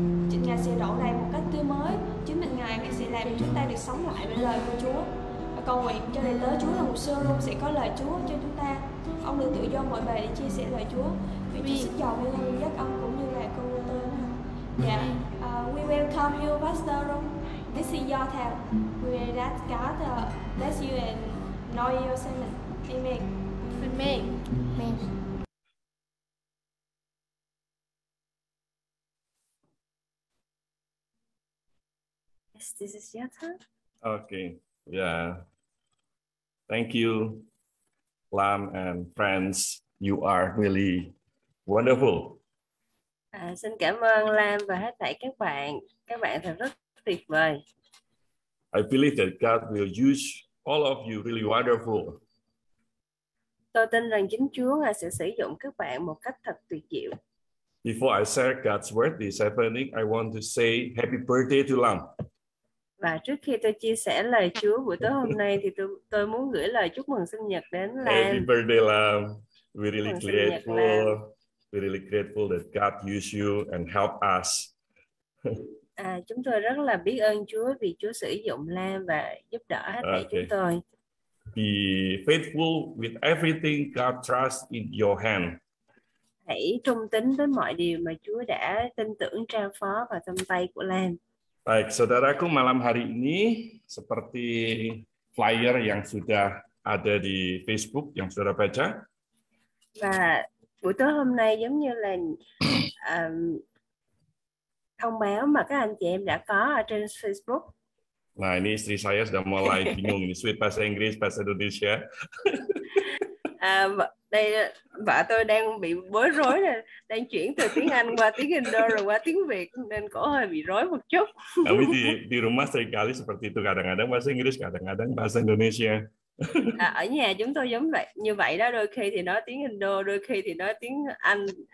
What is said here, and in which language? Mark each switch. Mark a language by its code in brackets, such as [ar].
[vi] Chính Ngài sẽ đổ đầy một cách tươi mới. Chính mình Ngài sẽ làm cho chúng ta được sống lại với lời của Chúa. Và cầu nguyện cho đầy tớ Chúa là một sư luôn sẽ có lời Chúa cho chúng ta. Ông được tự do mọi bề để chia sẻ lời Chúa. Vì Chúa sức giàu hay hơn giấc ông cũng như là con người tên. [en] Dạ. We welcome you, Pastor Rung. This is your time. We will ask God to bless you and know your sermon. Amen. Amen. Amen. This is your turn. Okay, yeah. Thank you, Lam and friends. You are really wonderful. [vi] Xin cảm ơn Lam và hết thảy các bạn. Các bạn thật rất tuyệt vời. [en] I believe that God will use all of you really wonderful. [vi] Tôi tin rằng chính Chúa Ngài sẽ sử dụng các bạn một cách thật tuyệt diệu. [en] Before I share God's word this evening, I want to say happy birthday to Lam. [vi] Và trước khi tôi chia sẻ lời Chúa buổi tối hôm nay thì tôi muốn gửi lời chúc mừng sinh nhật đến Lam. [en] Happy birthday, Lam. We're really grateful. We're really grateful that God used you and helped us. [vi] Chúng tôi rất là biết ơn Chúa vì Chúa sử dụng Lam và giúp đỡ hết thảy chúng tôi. [en] Be faithful with everything God trusts in your hand. [vi] Hãy trung tín với mọi điều mà Chúa đã tin tưởng trao phó vào trong tay của Lam. [id] Baik, saudaraku, malam hari ini seperti flyer yang sudah ada di Facebook yang saudara baca. [vi] Và buổi tối hôm nay giống như là thông báo mà các anh chị em đã có ở trên Facebook. [id] Nah, ini istri saya sudah mulai bingung ini sweet bahasa Inggris, bahasa Indonesia. [vi] Đây vợ tôi đang bị bối rối rồi, đang chuyển từ tiếng Anh qua tiếng Indo rồi qua tiếng Việt nên cổ hơi bị rối một chút. [id] Tapi di rumah seringkali seperti itu, kadang-kadang bahasa Inggris, kadang-kadang bahasa Indonesia. [vi] Ở nhà chúng tôi giống vậy, như vậy đó, đôi khi thì nói tiếng Indo, đôi khi thì nói tiếng Anh.